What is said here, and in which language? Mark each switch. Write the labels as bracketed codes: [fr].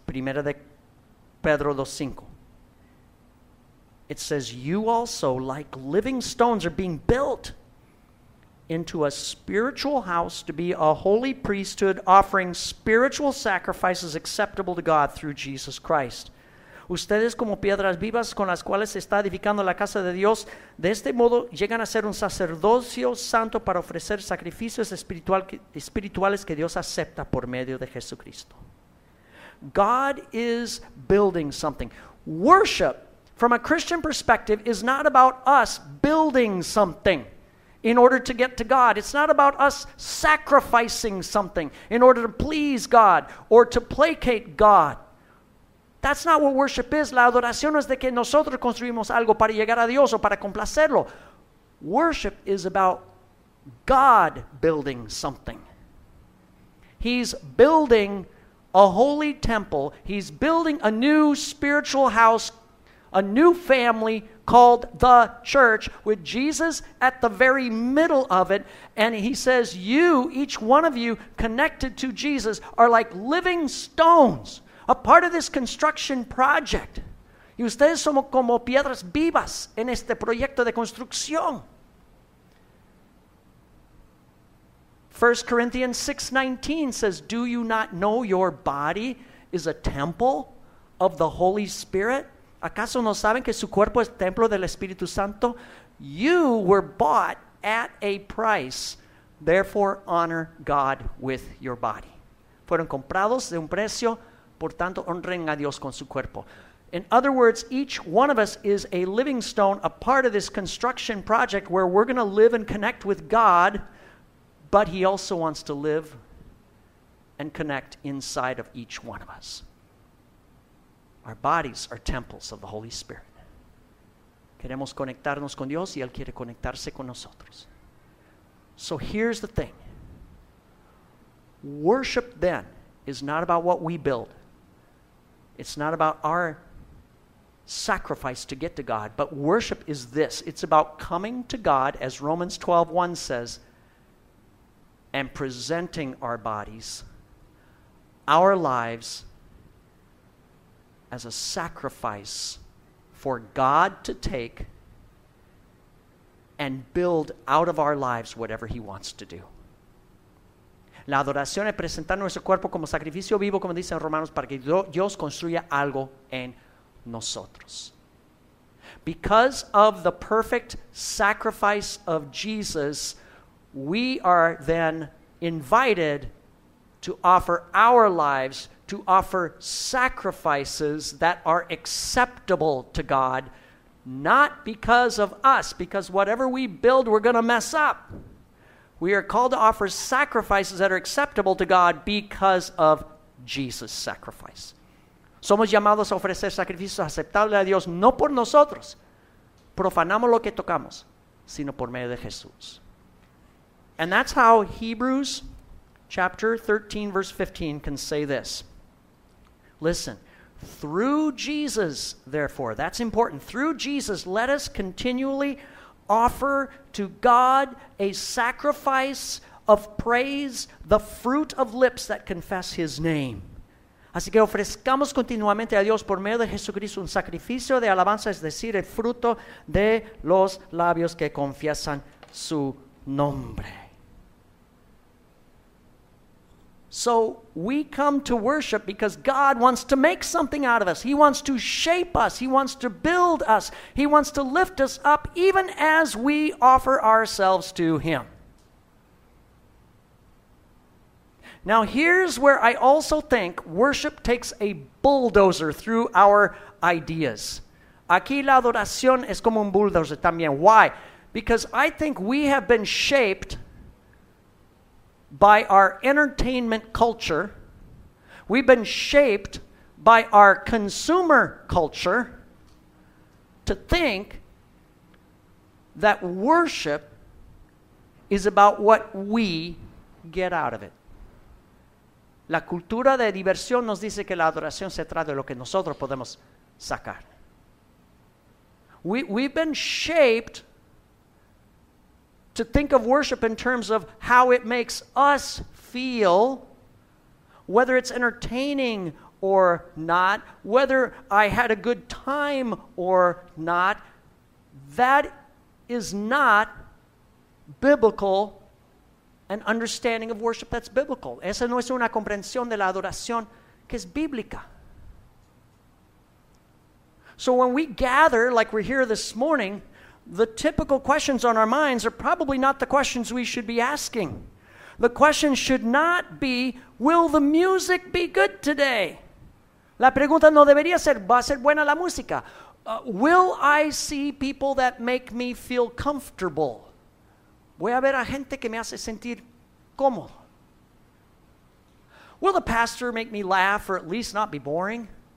[es] Primera de Pedro [en] 2:5. It says, you also, like living stones, are being built into a spiritual house to be a holy priesthood, offering spiritual sacrifices acceptable to God through Jesus Christ. [es] Ustedes como piedras vivas con las cuales se está edificando la casa de Dios, de este modo llegan a ser un sacerdocio santo para ofrecer sacrificios espirituales que Dios acepta por medio de Jesucristo. [en] God is building something. Worship, from a Christian perspective, is not about us building something in order to get to God. It's not about us sacrificing something in order to please God or to placate God. That's not what worship is. [es] La adoración es de que nosotros construimos algo para llegar a Dios o para complacerlo. [en] Worship is about God building something. He's building a holy temple. He's building a new spiritual house, a new family called the church, with Jesus at the very middle of it. And he says, you, each one of you connected to Jesus, are like living stones, a part of this construction project. [es] Y ustedes somos como piedras vivas en este proyecto de construcción. [en] 1 Corinthians 6:19 says, do you not know your body is a temple of the Holy Spirit? [es] ¿Acaso no saben que su cuerpo es templo del Espíritu Santo? [en] You were bought at a price. Therefore, honor God with your body. [es] Fueron comprados de un precio. Por tanto, honren a Dios con su cuerpo. [en] In other words, each one of us is a living stone, a part of this construction project where we're going to live and connect with God, but he also wants to live and connect inside of each one of us. Our bodies are temples of the Holy Spirit. [es] Queremos conectarnos con Dios y Él quiere conectarse con nosotros. [en] So here's the thing. Worship then is not about what we build. It's not about our sacrifice to get to God, but worship is this. It's about coming to God, as Romans 12:1 says, and presenting our bodies, our lives, as a sacrifice for God to take and build out of our lives whatever he wants to do. [es] La adoración es presentar nuestro cuerpo como sacrificio vivo, como dicen Romanos, para que Dios construya algo en nosotros. [en] Because of the perfect sacrifice of Jesus, we are then invited to offer our lives, to offer sacrifices that are acceptable to God, not because of us, because whatever we build, we're going to mess up. We are called to offer sacrifices that are acceptable to God because of Jesus' sacrifice. [es] Somos llamados a ofrecer sacrificios aceptables a Dios, no por nosotros. Profanamos lo que tocamos, sino por medio de Jesús. [en] And that's how Hebrews chapter 13, verse 15 can say this. Listen, through Jesus, therefore, that's important. Through Jesus, let us continually offer to God a sacrifice of praise, the fruit of lips that confess his name. [es] Así que ofrezcamos continuamente a Dios por medio de Jesucristo un sacrificio de alabanza, es decir, el fruto de los labios que confiesan su nombre. [en] So we come to worship because God wants to make something out of us. He wants to shape us. He wants to build us. He wants to lift us up even as we offer ourselves to him. Now here's where I also think worship takes a bulldozer through our ideas. [es] Aquí la adoración es como un bulldozer también. [en] Why? Because I think we have been shaped by our entertainment culture, we've been shaped by our consumer culture to think that worship is about what we get out of it. [es] La cultura de diversión nos dice que la adoración se trata de lo que nosotros podemos sacar. [en] We've been shaped to think of worship in terms of how it makes us feel, whether it's entertaining or not, whether I had a good time or not, that is not biblical, an understanding of worship that's biblical. [es] Esa no es una comprensión de la adoración que es bíblica. [en] So when we gather, like we're here this morning, the typical questions on our minds are probably not the questions we should be asking. The question should not be, will the music be good today? [es] La pregunta no debería ser, ¿va a ser buena la música? [en] Will I see people that make me feel comfortable? [es] Voy a ver a gente que me hace sentir cómodo. [en] Will the pastor make me laugh or at least not be boring?